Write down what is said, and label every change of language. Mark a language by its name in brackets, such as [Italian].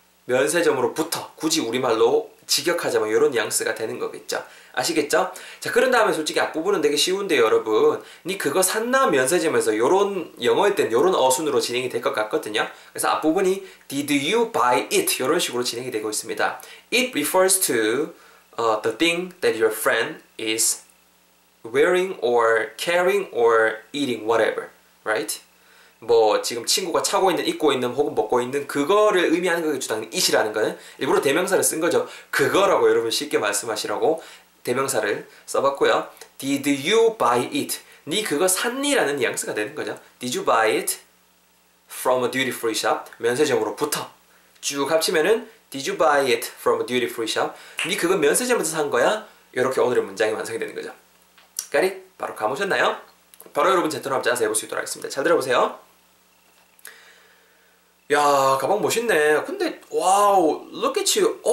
[Korean] 면세점으로부터, 굳이 우리말로 직역하자면 이런 뉘앙스가 되는 거겠죠. 아시겠죠? 자, 그런 다음에 솔직히 앞부분은 되게 쉬운데 여러분, 니 그거 샀나 면세점에서 요런 영어에 땐 요런 어순으로 진행이 될 것 같거든요. 그래서 앞부분이 [English] Did you buy it? [Korean] 요런 식으로 진행이 되고 있습니다. [English] It refers to the thing that your friend is wearing or carrying or eating whatever, right? [Korean] 뭐 지금 친구가 차고 있는, 입고 있는, 혹은 먹고 있는 그거를 의미하는 거겠죠. 당연히 it이라는 거는 일부러 대명사를 쓴 거죠. 그거라고 여러분 쉽게 말씀하시라고 대명사를 써봤고요. [English] Did you buy it? [Korean] 니 그거 샀니라는 뉘앙스가 되는 거죠. [English] Did you buy it from a duty free shop? [Korean] 면세점으로부터 쭉 합치면은 [English] Did you buy it from a duty free shop? [Korean] 니 그거 면세점에서 산 거야? 이렇게 오늘의 문장이 완성이 되는 거죠. 까리 바로 감으셨나요? 바로 여러분 제 톤을 잡아서 해볼 수 있도록 하겠습니다. 잘 들어보세요. 야, 가방 멋있네. 근데 와우, [English] look at you.